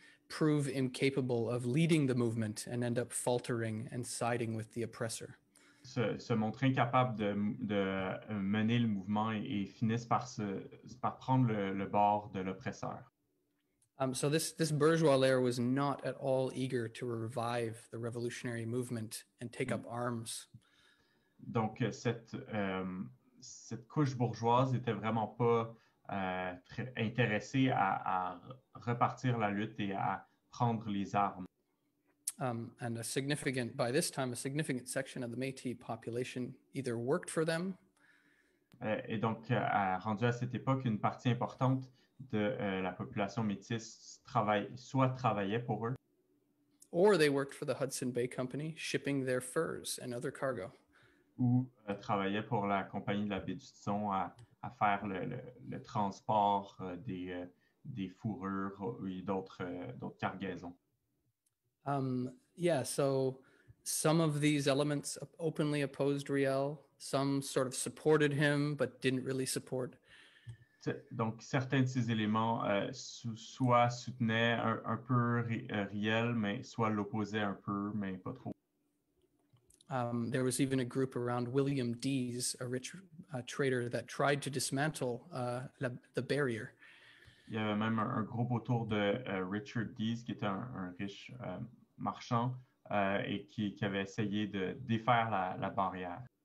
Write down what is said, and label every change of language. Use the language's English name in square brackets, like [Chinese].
[English] prove incapable of leading the movement and end up faltering and siding with the oppressor. [French] Se montrer incapable de mener le mouvement et finissent par prendre le bord de l'oppresseur. [English] So this bourgeois layer was not at all eager to revive the revolutionary movement and take up arms. [French] Donc cette couche bourgeoise était vraiment pas très intéressée à repartir la lutte et à prendre les armes. [English] And a significant, by this time, a significant section of the Métis population either worked for them. [French] Et donc, rendu à cette époque, une partie importante de la population métisse travaillait pour eux. [English] Or they worked for the Hudson Bay Company, shipping their furs and other cargo. [French] Ou travaillaient pour la compagnie de la baie du Tisson à faire le transport des fourrures et d'autres cargaisons. [English] So some of these elements openly opposed Riel, some sort of supported him but didn't really support. [French] Donc certains de ces éléments soit soutenaient un peu Riel, mais soit l'opposaient un peu, mais pas trop. [English] There was even a group around William Dees, a rich trader that tried to dismantle the barrier. [French] Il y avait même un groupe autour de Richard Dees qui était un riche marchand et qui avait essayé de défaire la barrière.